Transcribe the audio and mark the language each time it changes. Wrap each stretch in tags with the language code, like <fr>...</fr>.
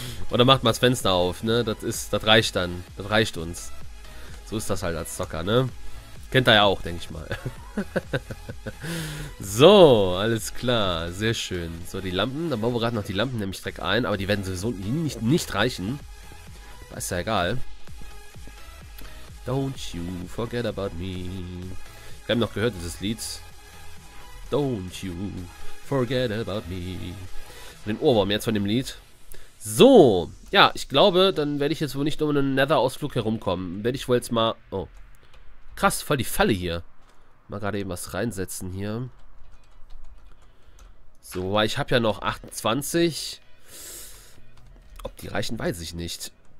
<de>Oder macht mal das Fenster auf, ne? Das reicht dann. Das reicht uns. So ist das halt als Zocker, ne? Kennt er ja auch, denke ich mal. So, alles klar. Sehr schön. So, die Lampen. Da bauen wir gerade noch die Lampen nämlich direkt ein. Aber die werden sowieso nicht reichen. Ist ja egal.</de> <en>Don't you forget about me.</en> <de>Ich habe noch gehört, dieses Lied.</de> <en>Don't you forget about me.</en> <de>Von den Ohrwurm jetzt von dem Lied. So, ja, ich glaube, dann werde ich jetzt wohl nicht um einen Nether-Ausflug herumkommen. Werde ich wohl jetzt mal... Oh. Krass, voll die Falle hier. Mal gerade eben was reinsetzen hier. So, weil ich habe ja noch 28. Ob die reichen, weiß ich nicht.</de>